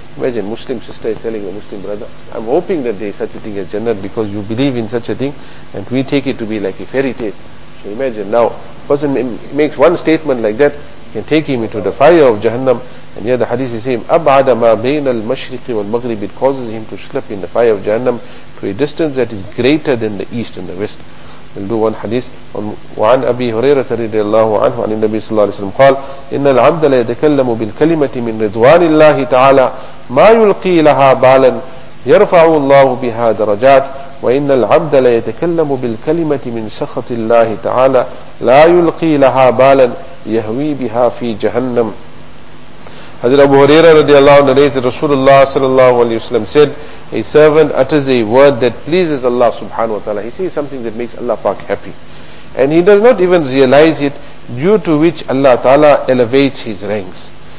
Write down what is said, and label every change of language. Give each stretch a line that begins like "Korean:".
English: Imagine, Muslim sister is telling a Muslim brother, I'm hoping that there is such a thing as Jannat because you believe in such a thing, and we take it to be like a fairy tale. So imagine now, person makes one statement like that, can take him into the fire of Jahannam. And here the hadith is saying,
Arabic: أَبْعَدَ مَا بَيْنَ الْمَشْرِقِ وَالْمَغْرِبِ.
English: It causes him to slip in the fire of Jahannam to a distance that is greater than the east and the west. We'll do one hadith.
Arabic: وَعَنْ أَبِي هُرَيْرَةَ رَضِيَ اللَّهُ عَنْهُ عَنِ النَّبِي صَلَّى اللَّهُ عَلَيْهِ وَسَلَّمَ قَالَ إِنَّ الْعَبْدَ لَيَتَكَلَّمُ بِالْكَلِمَةِ مِنْ رِضْوَانِ اللَّهِ تَعَالَى مَا يُلْقِي لَهَا بَالًا يَرْفَعُ اللَّهُ بِهَا دَرَجَاتٍ وإن العبد لا يتكلم بالكلمة من سخط الله تعالى لا يلقي لها بالا يهوي بها في جهنم.
English: حضرت أبو هريرة رضي الله عنه narrated, رسول الله صلى الله عليه وسلم said, a servant utters a word that pleases Allah subhanahu wa ta'ala. He says something that makes Allah Pak happy, and he does not even realize it, due to which Allah ta'ala elevates his ranks.